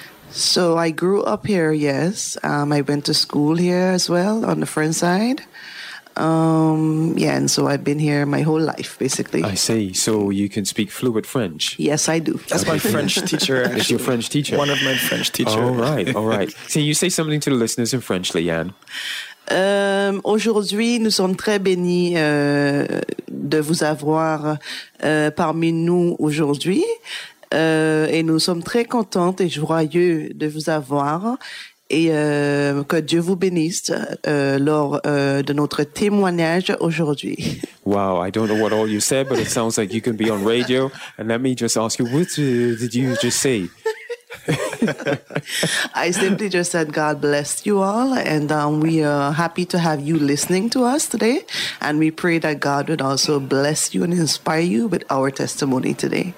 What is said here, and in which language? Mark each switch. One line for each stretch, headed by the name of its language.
English: So I grew up here, yes. I went to school here as well on the friend side. And so I've been here my whole life, basically. I see. So you can speak fluent French? Yes, I do. That's my French teacher, actually. It's your French teacher? One of my French teachers. All right, all right. Can you say something to the listeners in French, Leanne?
French: Aujourd'hui, nous sommes très bénis de vous avoir parmi nous aujourd'hui. Et nous sommes très contentes et joyeux de vous avoir et que Dieu vous bénisse lors de notre témoignage aujourd'hui.
English: Wow, I don't know what all you said, but it sounds like you can be on radio. And let me just ask you, what did you just say? I simply just said God bless you all, and we are happy to have you listening to us today, and we pray that God would also bless you and inspire you with our testimony today.